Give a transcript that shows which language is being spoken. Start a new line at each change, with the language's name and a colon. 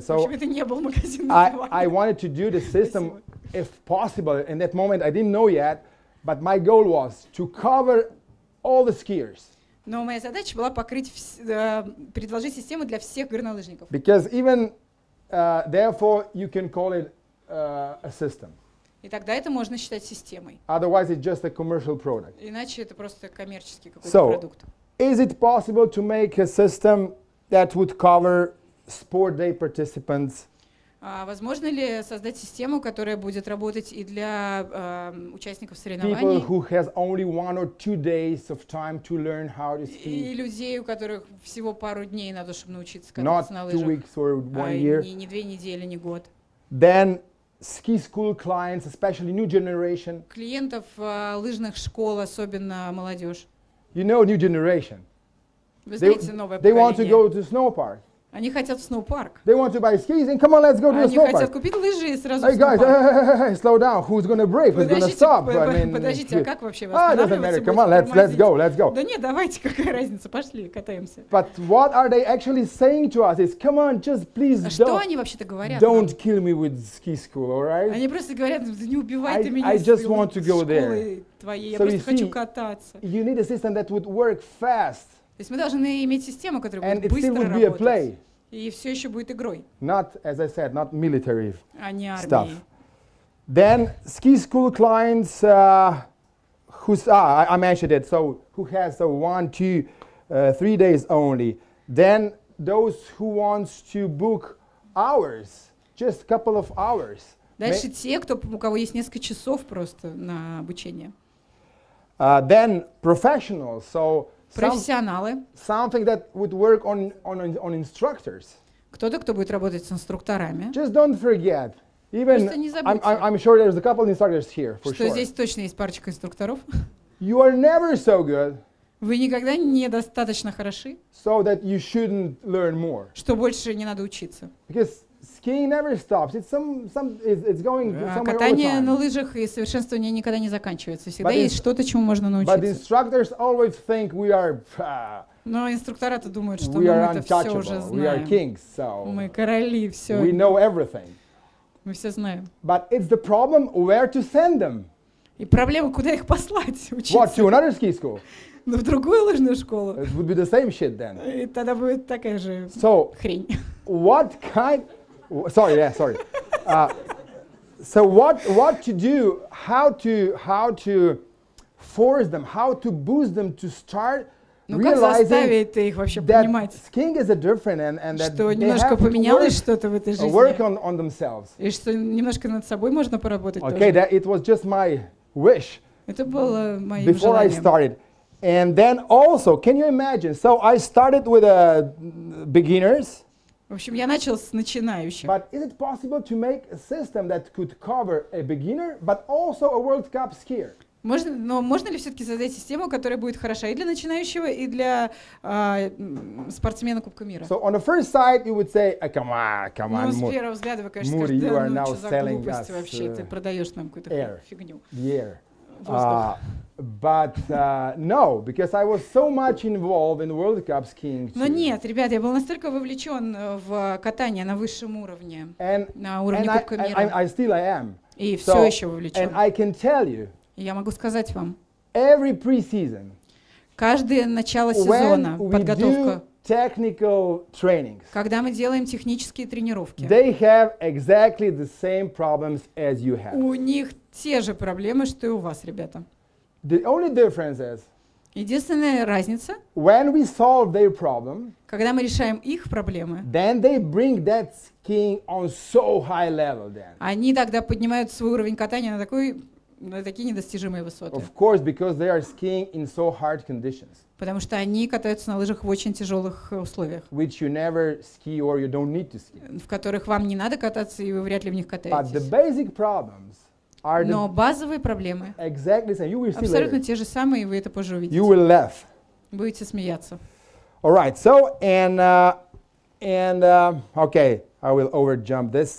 English: So I wanted to do the system if possible. In that moment I didn't know yet, but my goal was to cover all the skiers.
Russian: Но моя задача была покрыть предложить систему для всех горнолыжников.
English: Because even therefore you can call it a system.
Russian: И тогда это можно считать системой.
English: Otherwise, it's just a commercial product.
Russian: Иначе это просто коммерческий какой-то so, продукт.
English: Is it possible to make a system that would cover sport day participants?
Russian: Возможно ли создать систему, которая будет работать и для участников соревнований?
English: People who has only one or two days of time to learn how to ski.
Russian: И людей, у которых всего пару дней надо, чтобы научиться кататься на лыжах.
English: Not 2 weeks or 1 year.
Russian: Не 2 недели, не год.
English: Then ski school clients, especially new generation.
Russian: Клиентов лыжных школ, особенно молодежь.
English: You know, new generation.
Russian: Вы знаете, новое поколение.
English: They want to go to snow park.
Russian: Они хотят в snow park.
English: They want to buy skis and come on, let's go to the snow park.
Russian: Они хотят купить лыжи и сразу.
English: Hey guys, hey, slow down. Who's gonna break? Who's gonna stop? I mean,
Russian: подождите, а как вообще останавливаться?
English: Doesn't matter. Come on, let's go.
Russian: Да нет, давайте, какая разница, пошли, катаемся.
English: But what are they actually saying to us? Is come on, just please don't.
Russian: Что они вообще-то говорят?
English: Don't kill me with ski school, all right?
Russian: Они просто говорят, не убивай ты меня.
English: I just want to go there.
Russian: Я просто хочу кататься.
English: You need a system that would work fast.
Russian: То есть мы должны иметь систему, которая будет быстро работать. И все еще будет игрой.
English: Not, as I said, not military
Russian: а не армией.
English: Stuff. Then ski school clients, I mentioned it, so who has so 1, 2, 3 days only. Then those who wants to book hours, just a couple of hours.
Russian: Дальше те, кто, у кого есть несколько часов просто на обучение.
English: Then professionals, so
Russian: профессионалы.
English: Something that would work on instructors.
Russian: Кто-то, кто будет работать с инструкторами.
English: Just don't forget. Even
Russian: просто не забудьте.
English: I'm sure there's a couple of instructors here for
Russian: что
English: sure.
Russian: Здесь точно есть парочка инструкторов.
English: You are never so good.
Russian: Вы никогда недостаточно хороши.
English: So that you shouldn't learn more.
Russian: Что больше не надо учиться.
English: Because skiing never stops. It's it's going somewhere all the time.
Russian: Катание на лыжах и совершенствование никогда не заканчивается. Всегда есть что-то, чему можно научиться.
English: But instructors always think we are.
Russian: Но инструктора-то думают, что мы это все уже знаем.
English: We are kings, so
Russian: мы короли, все.
English: We know everything.
Russian: Мы все знаем.
English: But it's the problem where to send them.
Russian: И проблема, куда их послать учиться.
English: What, to another ski school?
Russian: Но в другую лыжную школу.
English: It would be the same shit then.
Russian: И тогда будет такая же so, хрень.
English: What kind? Sorry. So what to do? How to force them? How to boost them to start realizing that skiing is a different and that
Russian: что немножко поменялось что-то в этой жизни.
English: Work on themselves.
Russian: И что немножко над собой можно поработать.
English: Okay, That it was just my wish.
Russian: Это было моим
English: before I started. And then also, can you imagine? So I started with beginners.
Russian: В общем, я начал с начинающих.
English: But is it possible to make a system that could cover a beginner, but also a World Cup skier?
Russian: Можно ли все-таки создать систему, которая будет хороша и для начинающего, и для спортсмена Кубка мира?
English: So on the first side, you would say, oh, come on,
Russian: ну, с первого взгляда вы, конечно, скажете, да, ну, что за глупость вообще, ты продаешь нам какую-то фигню.
English: Air. No, because I was so much involved in World Cup skiing.
Russian: Но нет, ребят, я был настолько вовлечен в катание на высшем уровне, на уровне Кубка мира.
English: And I still I am.
Russian: И все еще вовлечен.
English: And I can tell you.
Russian: Я могу сказать вам.
English: Every preseason.
Russian: Каждое начало сезона, подготовка.
English: Technical trainings.
Russian: Когда мы делаем технические тренировки.
English: They have exactly the same problems as you have.
Russian: У них те же проблемы, что и у вас, ребята.
English: The only difference is.
Russian: Единственная разница.
English: When we solve their problem.
Russian: Когда мы решаем их проблемы.
English: Then they bring that skiing on so high level then.
Russian: Они тогда поднимают свой уровень катания на такие недостижимые высоты.
English: Of course, because they are skiing in so hard conditions.
Russian: Потому что они катаются на лыжах в очень тяжелых условиях.
English: Which you never ski or you don't need to ski.
Russian: В которых вам не надо кататься, и вы вряд ли в них катаетесь.
English: But the basic problems are
Russian: но базовые проблемы
English: exactly the same. You will see
Russian: абсолютно
English: later.
Russian: Те же самые, и вы это позже увидите.
English: You will laugh.
Russian: Будете смеяться.
English: All right, so, okay, I will overjump this.